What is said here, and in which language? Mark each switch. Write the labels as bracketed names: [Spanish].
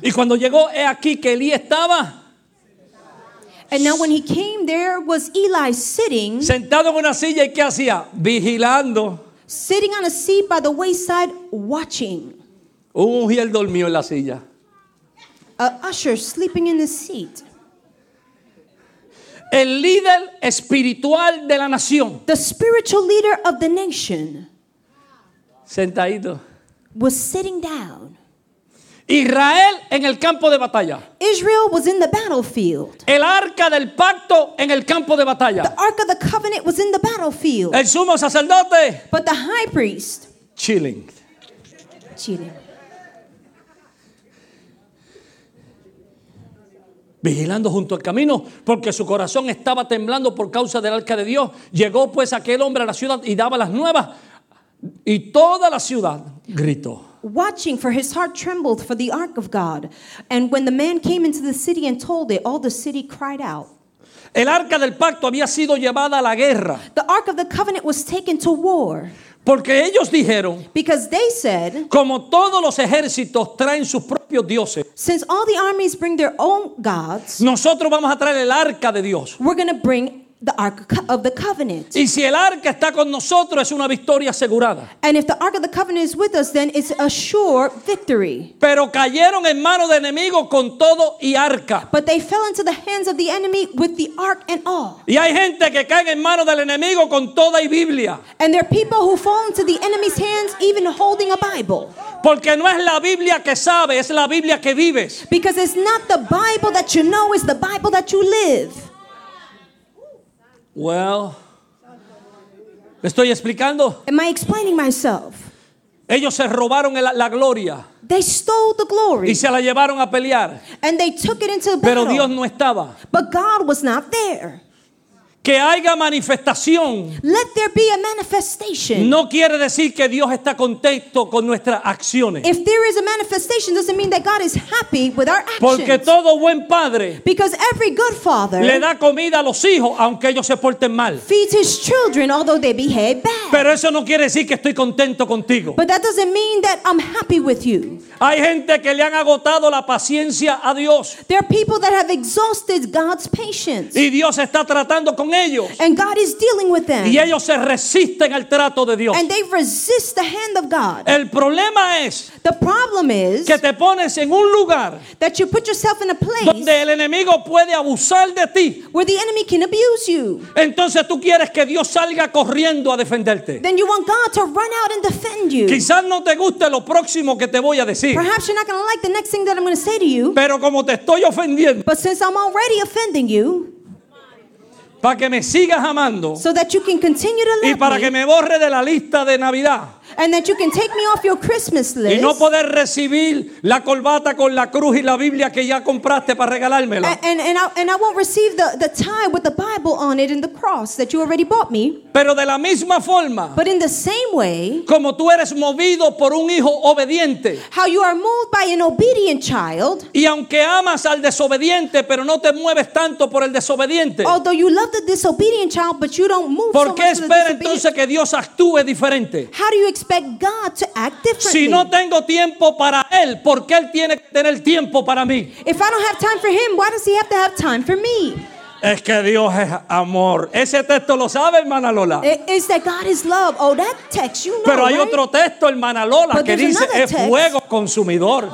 [Spanish] Y cuando llegó, he aquí que Eli estaba. [English] And now when he came, there was Eli sitting. [Spanish] Sentado en una silla, ¿y qué hacía? Vigilando. [English] Sitting on a seat by the wayside, watching. [Spanish] Un ujier dormió en la silla. [English] An usher sleeping in the seat. [Spanish] El líder espiritual de la nación. [English] The spiritual leader of the nation. [Spanish] Sentadito. [English] Was sitting down. [Spanish] Israel en el campo de batalla. [English] Israel was in the battlefield. [Spanish] El arca del pacto en el campo de batalla. [English] The ark of the covenant was in the battlefield. [Spanish] El sumo sacerdote. [English] But the high priest. Chilling. Chilling. [Spanish] Vigilando junto al camino, porque su corazón estaba temblando por causa del arca de Dios. Llegó pues aquel hombre a la ciudad y daba las nuevas. Y toda la ciudad gritó. [English] Watching, for his heart trembled for the ark of God. And when the man came into the city and told it, all the city cried out. [Spanish] El arca del pacto había sido llevada a la guerra. [English] The ark of the covenant was taken to war. [Spanish] Porque ellos dijeron. [English] Because they said. [Spanish] Como todos los ejércitos traen sus propios dioses. [English] Since all the armies bring their own gods. [Spanish] Nosotros vamos a traer el arca de Dios. [English] We're going to bring the ark of the covenant. [Spanish] Y si el arca está con nosotros, es una victoria asegurada. [English] And if the ark of the covenant is with us, then it's a sure victory. [Spanish] Pero cayeron en manos de enemigos con todo y arca. [English] But they fell into the hands of the enemy with the ark and all. [Spanish] Y hay gente que cae en manos del enemigo con toda y Biblia. [English] And there are people who fall into the enemy's hands even holding a Bible. [Spanish] Porque no es la Biblia que sabe, es la Biblia que vives. [English] Because it's not the Bible that you know, it's the Bible that you live. Well, [Spanish] ¿me estoy explicando? [English] Am I explaining myself? [Spanish] Ellos se robaron la gloria. [English] They stole the glory. [Spanish] Y se la llevaron a pelear. [English] And they took it into battle. [Spanish] Pero Dios no estaba. [English] But God was not there. [Spanish] Que haya manifestación. [English] Let there be a manifestation. [Spanish] No quiere decir que Dios está contento con nuestras acciones. [English] If there is a manifestation, doesn't mean that God is happy with our actions. [Spanish] Porque todo buen padre. [English] Because every good father. [Spanish] Le da comida a los hijos aunque ellos se porten mal. [English] Feeds his children although they behave bad. [Spanish] Pero eso no quiere decir que estoy contento contigo. [English] But that doesn't mean that I'm happy with you. [Spanish] Hay gente que le han agotado la paciencia a Dios. [English] There are people that have exhausted God's patience. [Spanish] Y Dios está tratando con ellos. [English] And God is dealing with them. [Spanish] Y ellos se resisten al trato de Dios. [English] And they resist the hand of God. [Spanish] El problema es [English] the problem is [Spanish] que te pones en un lugar [English] that you put yourself in a place [Spanish] donde el enemigo puede abusar de ti. [English] Where the enemy can abuse you. [Spanish] Entonces tú quieres que Dios salga corriendo a defenderte. [English] Then you want God to run out and defend you. [Spanish] Quizás no te guste lo próximo que te voy a decir. [English] Perhaps you're not going to like the next thing that I'm going to say to you. [Spanish] Pero como te estoy ofendiendo, [English] but since I'm already offending you, [Spanish] para que me sigas amando, [English] so that you can continue to love [Spanish] y para que me borre de la lista de Navidad, [English] and that you can take me off your Christmas list, [Spanish] y no poder recibir la corbata con la cruz y la Biblia que ya compraste para regalármela, [English] and I won't receive the tie with the Bible on it and the cross that you already bought me. [Spanish] Pero de la misma forma, [English] but in the same way, [Spanish] como tú eres movido por un hijo obediente, [English] how you are moved by an obedient child, [Spanish] y aunque amas al desobediente pero no te mueves tanto por el desobediente, [English] although you love the disobedient child but you don't move, [Spanish] ¿por qué [English] so much [Spanish] espera entonces que Dios actúe diferente? [English] How do you expect God to act differently? [Spanish] Si no tengo tiempo para él, ¿por qué él tiene que tener tiempo para mí? [English] If I don't have time for him, why does he have to have time for me? [Spanish] Es que Dios es amor. Ese texto lo sabe, hermana Lola. [English] Is that God is love? Oh, that text, you know. [Spanish] Pero hay [English] right? [Spanish] otro texto, hermana Lola, [English] but [Spanish] que dice es fuego consumidor.